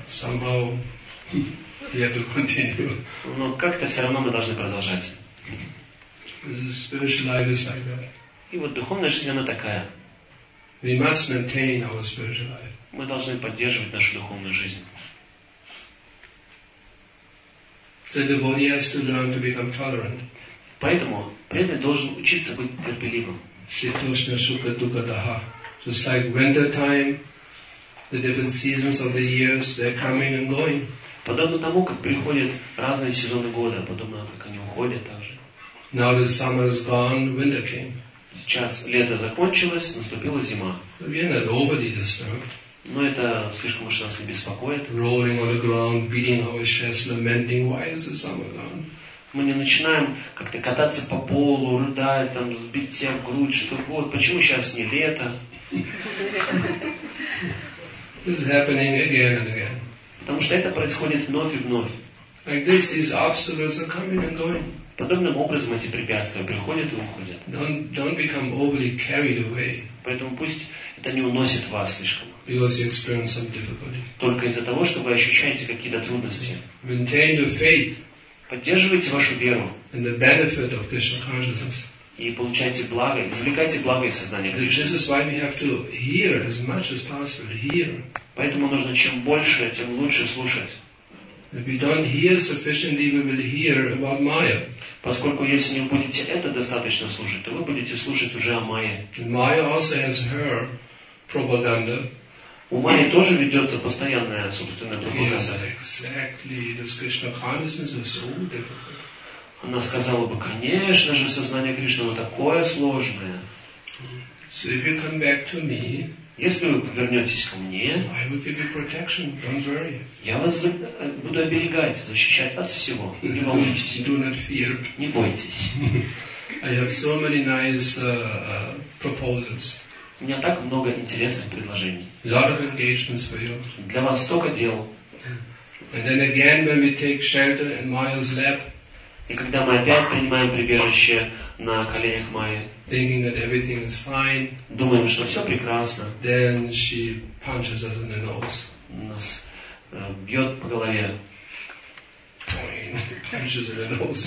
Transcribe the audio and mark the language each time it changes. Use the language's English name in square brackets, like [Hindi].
[English] Somehow you have to continue. [Russian] Но как-то все равно мы должны продолжать. [English] This spiritual life is like that. [Russian] И вот духовная жизнь, она такая. [English] We must maintain our spiritual life. [Russian] Мы должны поддерживать нашу духовную жизнь. [English] The devotee has to learn to become tolerant. [Russian] Поэтому преданный должен учиться быть терпеливым. [Sanskrit] Shitoshna shukha dukha daha. [English] Just like winter time, the different seasons of the years, they're coming and going. [Russian] Подобно тому, как приходят разные сезоны года, подобно как они уходят также. [English] Now the summer is gone, winter came. [Russian] Сейчас лето закончилось, наступила зима. [English] Vienna is already disturbed. [Russian] Но это слишком уж нас не беспокоит. [English] Rolling on the ground, beating our chest, lamenting, why is the summer gone? [Russian] Мы не начинаем как-то кататься по полу, рыдать, там, сбить себя в грудь, что вот, почему сейчас не лето? [English] This is happening again and again. [Russian] Потому что это происходит вновь и вновь. [English] Like this, these obstacles are coming and going. [Russian] Подобным образом эти препятствия приходят и уходят. [English] Don't become overly carried away. [Russian] Поэтому пусть это не уносит вас слишком. [English] Because you experience some difficulty. [Russian] Только из-за того, что вы ощущаете какие-то трудности. [English] Maintain your faith. [Russian] Поддерживайте вашу веру. [English] And the benefit of Krishna consciousness. [Russian] И получайте благо, извлекайте благо из сознания [English] Кришны. This is why we have to hear as much as possible. Hear. [Russian] Поэтому нужно чем больше, тем лучше слушать. [English] If you don't hear sufficiently, we will hear about Maya. [Russian] Поскольку если не будете это достаточно слушать, то вы будете слушать уже о Майе. [English] Maya also has her propaganda. [Russian] У Майи тоже ведется постоянная собственная пропаганда. [English] Exactly. This Krishna consciousness is so difficult. [Russian] Она сказала бы, конечно же, сознание Кришны такое сложное. [English] So if you come back to me, [Russian] если вы вернетесь ко мне, [English] I will give you protection. Don't worry. [Russian] Я вас буду оберегать, защищать от всего. Не волнуйтесь. [English] Do not fear. [Russian] Не бойтесь. [English] I have so many nice proposals. [Russian] У меня так много интересных предложений. [English] Lot of engagements for you. [Russian] Для вас столько дел. [English] And then again, when we take shelter in Maya's lap. [Russian] И когда мы опять принимаем прибежище на коленях Майи, [English] thinking that everything is fine, [Russian] думаем, что все прекрасно, [English] then she punches us in the nose. [Russian] Нас бьет по голове. [English] Punches in the nose.